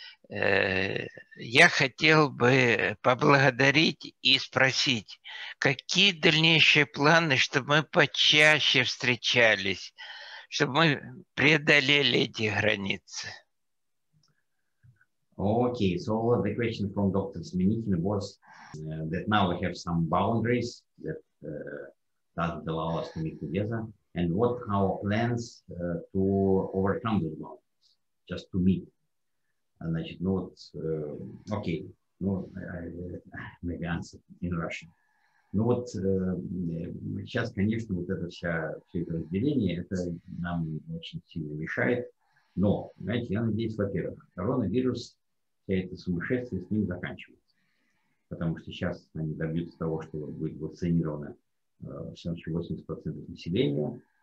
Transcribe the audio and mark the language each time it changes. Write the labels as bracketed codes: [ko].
[ru] Я хотел бы поблагодарить и спросить, какие дальнейшие планы, чтобы мы почаще встречались, чтобы мы преодолели эти границы? [en] Okay, so the question from Dr. Semenihin was that now we have some boundaries that doesn't allow us to meet together, and what our plans to overcome those boundaries, just to meet. And I should note, okay, no, maybe answer in Russian. [ru] Ну вот сейчас, конечно, вот это все это разделение, это нам очень сильно мешает. Но, знаете, я надеюсь, во-первых, коронавирус, вся эта сумасшествие с ним заканчивается. Потому что сейчас они добьются того, что будет вакцинировано 80% населения.